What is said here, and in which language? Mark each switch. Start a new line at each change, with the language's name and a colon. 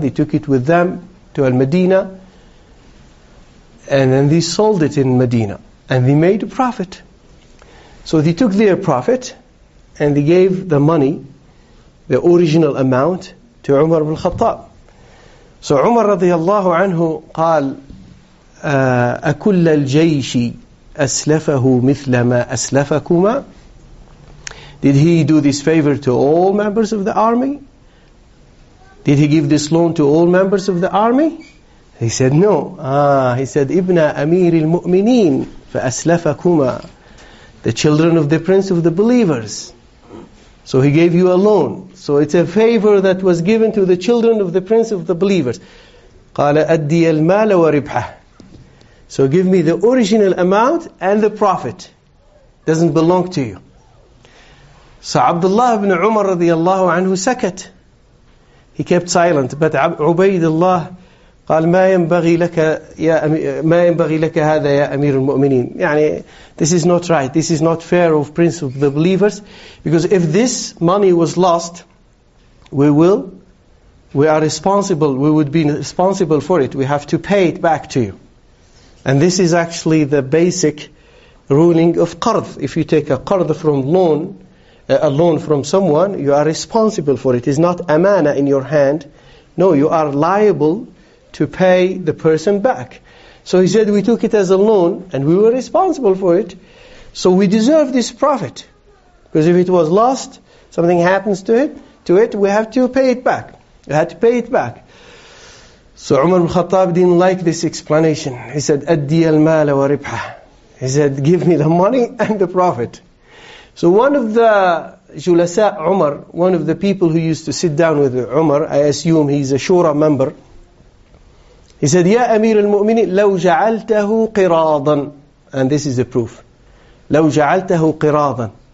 English: They took it with them to Al-Medina. And then they sold it in Medina. And they made a profit. So they took their profit and they gave the money, the original amount, to Umar ibn Khattab.
Arabic: So Umar radiallahu anhu قال أَكُلَّ الْجَيْشِ أَسْلَفَهُ مِثْلَ مَا أَسْلَفَكُمَا.
English: Did he do this favor to all members of the army? Did he give this loan to all members of the army? He said no. He said,
Arabic: "Ibn Amir al-Mu'mineen fa'aslafakuma,"
English: the children of the Prince of the Believers. So he gave you a loan. So it's a favor that was given to the children of the Prince of the Believers.
Arabic: قَالَ أَدِّيَ الْمَالَ وَرِبْحَهُ.
English: So give me the original amount and the profit. Doesn't belong to you. So Abdullah ibn Umar radiallahu anhu sakat. He kept silent.
Arabic: But Ubaidullah قال ما ينبغي لك يا ما ينبغي لك هذا يا أمير المؤمنين.
English: يعني, this is not right. This is not fair of Prince of the Believers. Because if this money was lost, we are responsible. We would be responsible for it. We have to pay it back to you. And this is actually the basic ruling of qard. If you take a qard from loan, a loan from someone, you are responsible for it. It is not amana in your hand. No, you are liable to pay the person back. So he said, we took it as a loan and we were responsible for it. So we deserve this profit. Because if it was lost, something happens to it, we have to pay it back. We had to pay it back. So Umar ibn Khattab didn't like this explanation.
Arabic: He said, أدي المال وربحه.
English: He said, give me the money and the profit. So one of the julasa Umar, one of the people who used to sit down with Umar, I assume he's a shura member, he said,
Arabic: يَا أَمِيرَ الْمُؤْمِنِينَ لَوْ جَعَلْتَهُ قِرَاضًا.
English: And this is the proof.
Arabic: لَوْ جَعَلْتَهُ قِرَاضًا.